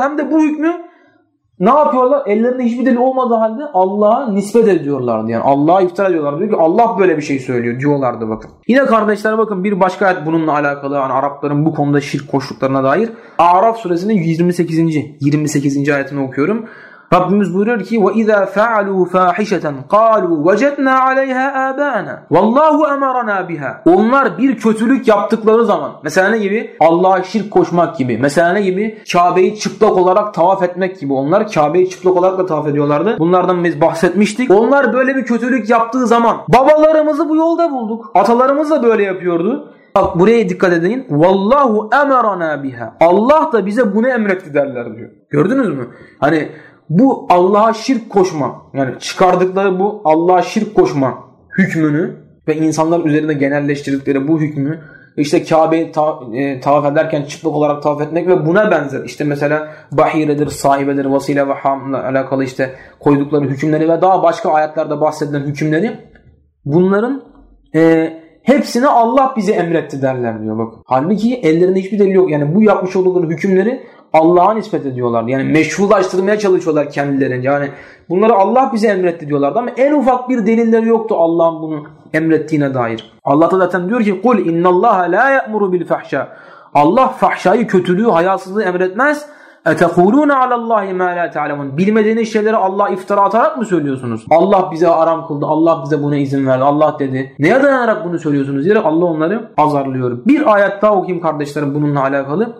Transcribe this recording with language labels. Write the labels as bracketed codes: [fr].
[tr] Hem de bu hükmü ne yapıyorlar? Ellerinde hiçbir delil olmadığı halde Allah'a nispet ediyorlardı. Yani Allah'a iftira ediyorlardı. Diyor ki Allah böyle bir şey söylüyor diyorlardı bakın. Yine kardeşler bakın bir başka ayet bununla alakalı. Yani Arapların bu konuda şirk koştuklarına dair. A'raf suresinin 28. ayetini okuyorum. Rabbimiz buyuruyor ki [ar] وَاِذَا فَعَلُوا فَاحِشَةً قَالُوا وَجَدْنَا عَلَيْهَا آبَانَا وَاللّٰهُ اَمَرَنَا بِهَا. [tr] Onlar bir kötülük yaptıkları zaman, mesela ne gibi? Allah'a şirk koşmak gibi. Mesela ne gibi? Kabe'yi çıplak olarak tavaf etmek gibi. Onlar Kabe'yi çıplak olarak da tavaf ediyorlardı. Bunlardan biz bahsetmiştik. Onlar böyle bir kötülük yaptığı zaman babalarımızı bu yolda bulduk. Atalarımız da böyle yapıyordu. Bak buraya dikkat edin. [ar] وَاللّٰهُ اَمَرَنَا بِهَا. [tr] Allah da bize bunu emretti derler diyor. Gördünüz mü? Hani bu Allah'a şirk koşma, yani çıkardıkları bu Allah'a şirk koşma hükmünü ve insanlar üzerinde genelleştirdikleri bu hükmü İşte Kabe'yi tavaf ederken çıplak olarak tavaf etmek ve buna benzer. İşte mesela bahiredir, sahibedir, vasile ve hamla alakalı işte koydukları hükümleri ve daha başka ayetlerde bahsedilen hükümleri, bunların hepsini Allah bize emretti derler diyor. Bak, halbuki ellerinde hiçbir delil yok. Yani bu yapmış oldukları hükümleri Allah'a nispet ediyorlar. Yani meşrulaştırmaya çalışıyorlar kendilerince. Yani bunları Allah bize emretti diyorlardı ama en ufak bir delilleri yoktu Allah'ın bunu emrettiğine dair. Allah da zaten diyor ki [ar] قُلْ اِنَّ اللّٰهَ لَا يَأْمُرُ بِالْفَحْشَى. [tr] Allah fahşayı, kötülüğü, hayasızlığı emretmez. [ar] اَتَقُولُونَ عَلَى اللّٰهِ مَا لَا تَعْلَمُونَ. [tr] Bilmediğiniz şeyleri Allah iftira atarak mı söylüyorsunuz? Allah bize aram kıldı, Allah bize buna izin verdi, Allah dedi. Neye dayanarak bunu söylüyorsunuz diyerek Allah onları azarlıyor. Bir ayet daha okuyayım kardeşlerim bununla alakalı.